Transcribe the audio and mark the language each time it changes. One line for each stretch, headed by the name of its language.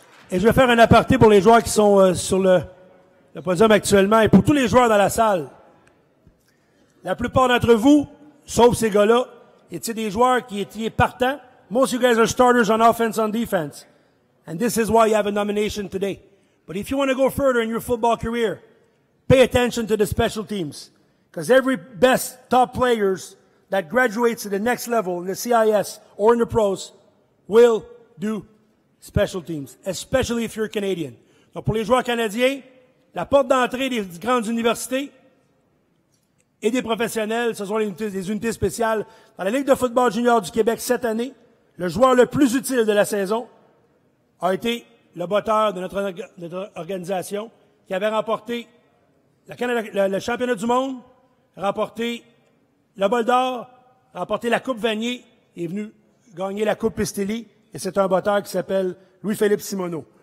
French: Et je vais faire un aparté pour les joueurs qui sont sur le podium actuellement, et pour tous les joueurs dans la salle. La plupart d'entre vous, sauf ces gars-là, étaient des joueurs qui étaient partants.
English: Most of you guys are starters on offense, on defense. And this is why you have a nomination today. But if you want to go further in your football career, pay attention to the special teams. Because every best top players that graduates to the next level in the CIS or in the pros will do special teams, especially if you're Canadian.
French: Donc pour les joueurs canadiens, la porte d'entrée des grandes universités et des professionnels. Ce sont les unités spéciales dans la Ligue de football junior du Québec cette année. Le joueur le plus utile de la saison a été le botteur de notre organisation qui avait remporté le championnat du monde, remporté le bol d'or, remporté la Coupe Vanier, est venu gagner la Coupe Pistelli, et c'est un botteur qui s'appelle Louis-Philippe Simoneau.